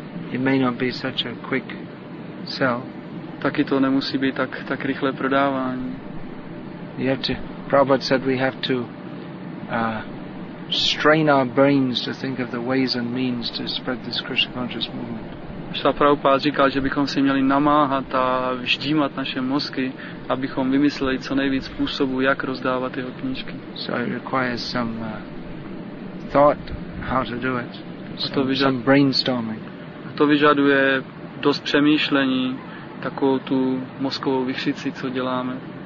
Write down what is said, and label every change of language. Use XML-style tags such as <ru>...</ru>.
<en>It may not be such a quick sell.</en> <cs>Taky to nemusí být tak rychlé prodávání.</cs> <en>Prabhupada said we have to strain our brains to think of the ways and means to spread this Krishna conscious movement.</en> <cs>Šla Prabhupáda říkal, že bychom se měli namáhat a vždímat naše mozky, abychom vymysleli co nejvíc způsobů, jak rozdávat jeho knížky.</cs> <en>So it requires some thought how to do it. Some brainstorming.</en> <cs>A to vyžaduje dost přemýšlení, takovou tu mozkovou vichřici, co děláme.</cs>